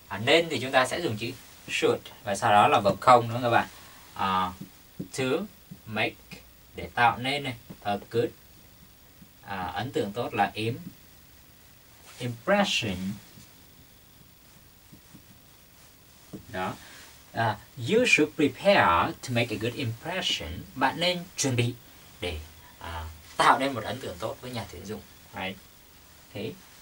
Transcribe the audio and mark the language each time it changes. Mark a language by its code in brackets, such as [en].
[vi] Nên thì chúng ta sẽ dùng chữ should. Và sau đó là vật không nữa các bạn. [en] To make. [vi] Để tạo nên này. A good. Ấn tượng tốt là impression. Đó. [en] You should prepare to make a good impression. [vi] Bạn nên chuẩn bị để tạo nên một ấn tượng tốt với nhà tuyển dụng. Right. Okay.